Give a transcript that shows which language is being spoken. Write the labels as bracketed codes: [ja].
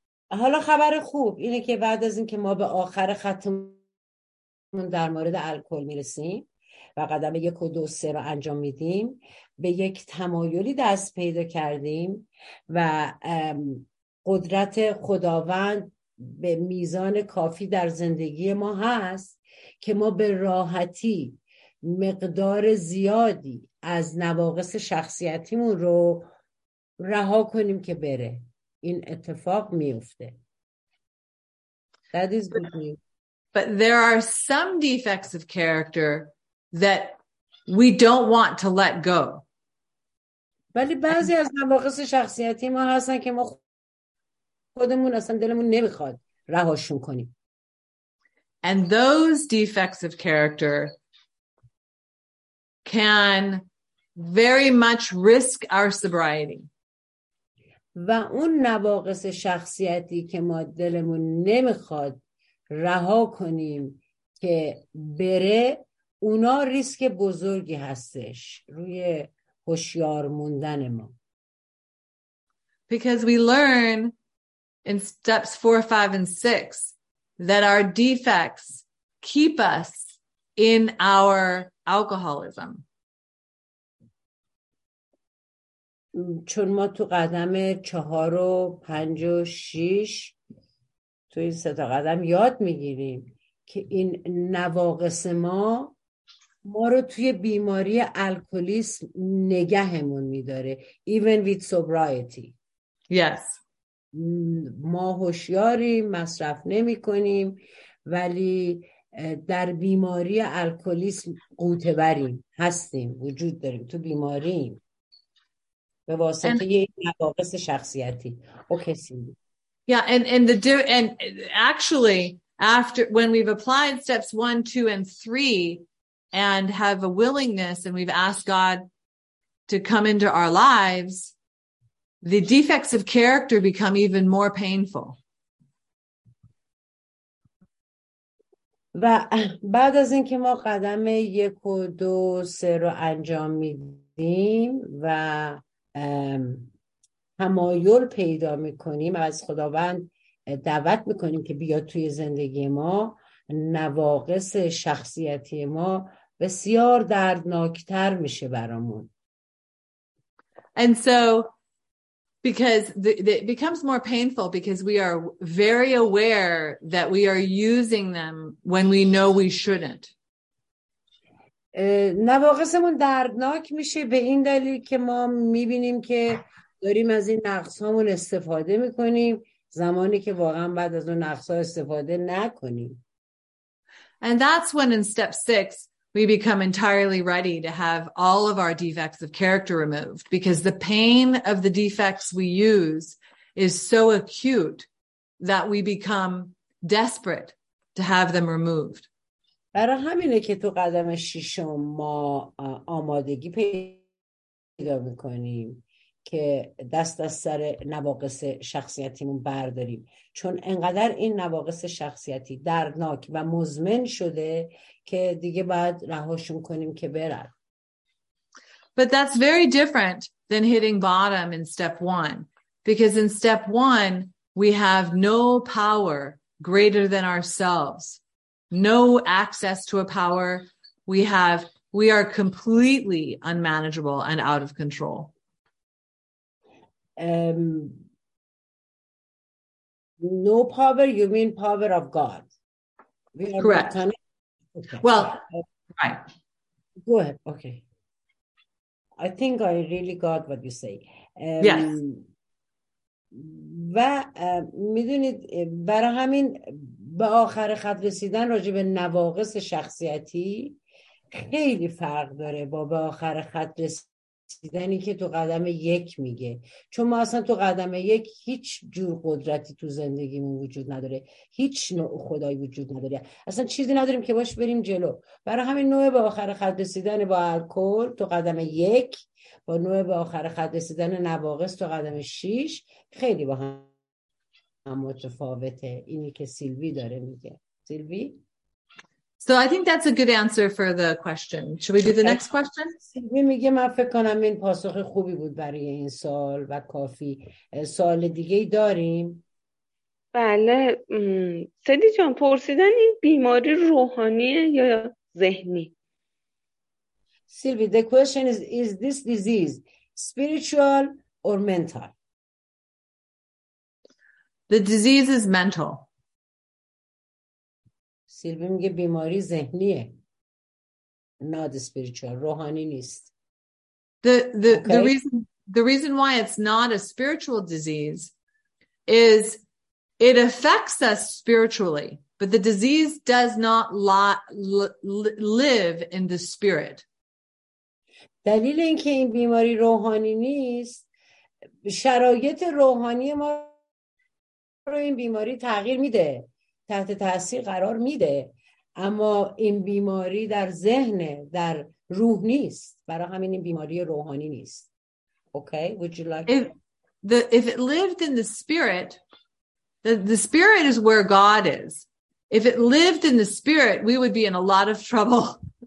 [fa] حالا خبر خوب اینه که بعد از اینکه ما به آخر خطمون در مورد الکل میرسیم و قدم 1, 2, 3 رو انجام میدیم، به یک تمایلی دست پیدا کردیم و قدرت خداوند به میزان کافی در زندگی ما هست که ما به راحتی مقدار زیادی از نواقص شخصیتیمون رو رها کنیم که بره. این اتفاق میفته. [en] That is good news. But there are some defects of character that we don't want to let go. [fa] ولی بعضی از نواقص شخصیتی ما هستن که ما خودمون اصلا دلمون نمیخواد رهاشون کنیم. [en] And those defects of character can very much risk our sobriety. [fa] و اون نواقص شخصیتی که ما دلمون نمیخواد رها کنیم که بره، اونا ریسک بزرگی هستش روی هوشیار موندن ما. [en] Because we learn in steps 4, 5, and 6 that our defects keep us in our alcoholism. [fa] چون ما تو قدم 4 و 5 و 6 تو این سه تا قدم یاد میگیریم که این نواقص ما ما رو توی بیماری الکلیسم نگهمون میداره. [en] Even with sobriety. Yes. [fa] ما هوشیاریم، مصرف نمی کنیم، ولی در بیماری الکلیسم قوطه وریم، هستیم، وجود داریم، تو بیماریم به واسطه نواقص شخصیتی. [en] Okay, Cindy. Yeah, and actually after when we've applied steps 1, 2 and 3 and have a willingness and we've asked God to come into our lives, the defects of character become even more painful. [fa] و بعد از اینکه ما قدم 1 و 2 و 3 رو انجام میدیم و تمایل پیدا میکنیم از خداوند دعوت میکنیم که بیاد توی زندگی ما، نواقص شخصیتی ما بسیار دردناکتر میشه برامون. [en] And so because it becomes more painful because we are very aware that we are using them when we know we shouldn't. [fa] نواقصمون دردناک میشه به این دلیل که ما میبینیم که داریم از این نقصامون استفاده میکنیم زمانی که واقعا بعد از اون نقصا استفاده نکنیم. [en] And that's when in step 6 we become entirely ready to have all of our defects of character removed because the pain of the defects we use is so acute that we become desperate to have them removed. [fa] برای همینه که تو قدم ششم ما آمادگی پیدا میکنیم که دست از سر نواقص شخصیتیمون برداریم، چون انقدر این نواقص شخصیتی دردناک و مزمن شده که دیگه باید رهاشون کنیم که برن. [en] But that's very different than hitting bottom in step 1 because in step 1 we have no power greater than ourselves. No access to a power we are completely unmanageable and out of control. No power, you mean power of God? We are correct. Okay. Well, right. Go ahead. Okay. I think I really got what you say. Yes. [fa] و میدونید برای همین به آخر خط رسیدن راجع به نواقص شخصیتی خیلی فرق داره با به آخر خط رسیدنی که تو قدم 1 میگه، چون ما اصلا تو قدم 1 هیچ جور قدرتی تو زندگیمون وجود نداره، هیچ نوع خدایی وجود نداره، اصلا چیزی نداریم که باش بریم جلو. برای همین نوع به آخر خط رسیدن با الکل تو قدم 1 با نوع به آخر خط رسیدن نواقص تو قدم 6 خیلی با هم متفاوته. اینی که سیلوی داره میگه. سیلوی؟ [en] So I think that's a good answer for the question. Should we do the next question? [fa] سیلوی میگه من فکر کنم این پاسخ خوبی بود برای این سوال و کافی. سوال دیگه ای داریم؟ بله. سیدی جان، پرسیدن این بیماری روحانیه یا ذهنی؟ [en] Sylvie, the question is this disease spiritual or mental? The disease is mental. [fa] Sylvie میگه بیماری ذهنیه. [en] Not spiritual. [fa] روحانی نیست. [en] The reason why it's not a spiritual disease is it affects us spiritually, but the disease does not live in the spirit. [fa] دلیل اینکه این بیماری روحانی نیست، شرایط روحانی ما رو این بیماری تغییر میده، تحت تاثیر قرار میده، اما این بیماری در ذهن، در روح نیست. برای همین این بیماری روحانی نیست. [en] Okay, would you like if the if it lived in the spirit, the spirit is where God is. If it lived in the spirit, we would be in a lot of trouble.